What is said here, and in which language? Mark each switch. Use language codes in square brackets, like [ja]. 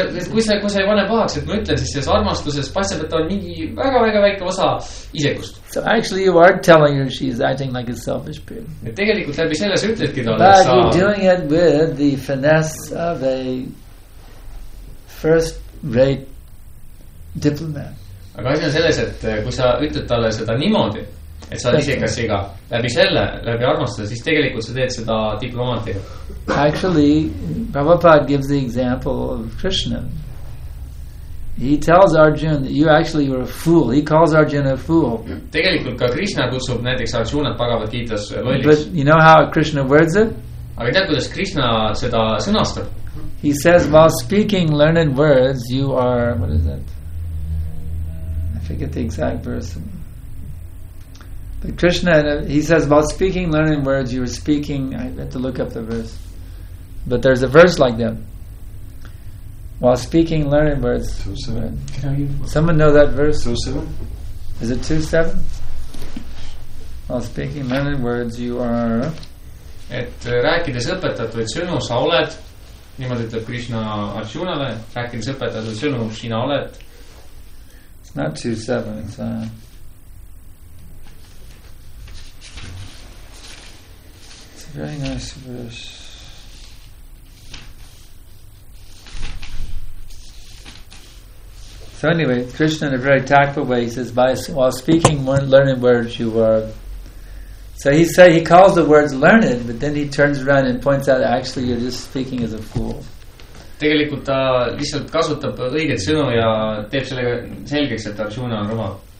[et] Kui sa ei pane pahaks, et ma ütlen, siis selles armastuses paistab, et on mingi väga väike osa isekust. [en] So actually you are telling her she is acting like a selfish pig. [et] Et tegelikult läbi selles ütledki ta, [en] but you're doing it with the finesse of a first-rate diplomat. [et] Aga asja on selles, et kui sa ütled talle seda niimoodi, et sa oled isekas siga, läbi selle, läbi armastada, siis tegelikult sa teed seda diplomaatiga. [en] Actually, Prabhupada gives the example of Krishna. He tells Arjuna that you actually were a fool. He calls Arjuna a fool. [et] Tegelikult ka Krishna kutsub näiteks Arjuna Bhagavad Gita's lolliks. [en] But you know how Krishna words it? [et] Aga tead, kuidas Krishna seda sõnastab? [en] He says, while speaking learned words, you are, what is that? I forget the exact verse. But Krishna, he says, while speaking learned words, you are speaking, I have to look up the verse. But there's a verse like that. While speaking learned words. 2-7. Someone know that verse? 2-7. Is it 2-7? While speaking learned words, you are. [et] Et rääkides õpetatud sõnu sa oled, niimoodi ütleb Krishna Arjunale, rääkides õpetatud sõnu sina oled. [en] It's not 2-7, it's it's a very nice verse. So anyway, Krishna in a very tactful way, he says, while speaking learned words you are. So he calls the words learned, but then he turns around and points out actually you're just speaking as a fool. [et] Tegelikult ta lihtsalt kasutab õiget sõnu ja teeb selle selgeks, et Arjuna on rumal.